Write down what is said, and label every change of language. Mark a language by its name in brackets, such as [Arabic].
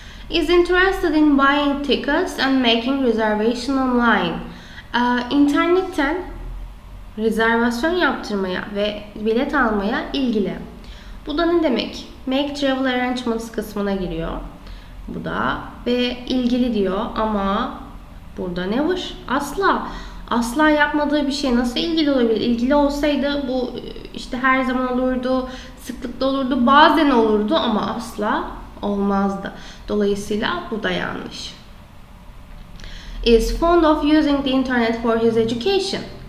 [English] Is interested in buying tickets and making reservation online. [Turkish] İnternetten rezervasyon yaptırmaya ve bilet almaya ilgili. Bu da ne demek? [English] Make travel arrangements [Turkish] kısmına giriyor. Bu da ve ilgili diyor ama burada never. Asla. Asla yapmadığı bir şey nasıl ilgili olabilir? İlgili olsaydı bu işte her zaman olurdu, sıklıkla olurdu, bazen olurdu ama asla olmazdı. Dolayısıyla bu da yanlış. [English] Is fond of using the internet for his education.